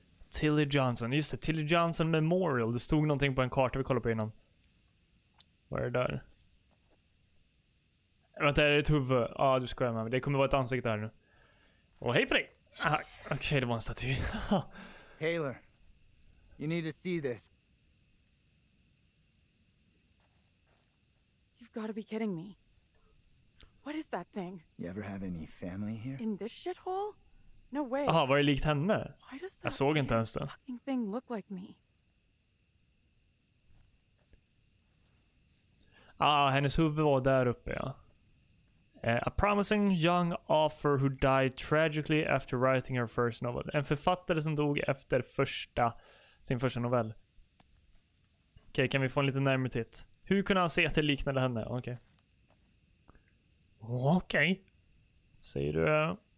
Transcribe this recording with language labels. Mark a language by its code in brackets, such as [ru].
[sv] Tilly Johnson. Just det, Tilly Johnson Memorial. Det stod någonting på en karta vi kollade på innan. Vad är det där? Vänta, är det ett huvud? Ja, du skojar med mig. Det kommer vara ett ansikte här nu. Och hej på dig! Okej, det var en staty. [en] Taylor, you need to see this. You've got to be kidding me. What is that thing? You ever have any family here? In this shithole? No way. [sv] Aha, var det likt henne? [en] Why does that fucking thing look like me? [sv] Ah, hennes huvud var där uppe, ja. [en] A promising young author who died tragically after writing her first novel. [sv] En författare som dog efter sin första novell. Okej, kan vi få en lite närmare titt? Hur kunde han se att det liknade henne? Okej. Säger du?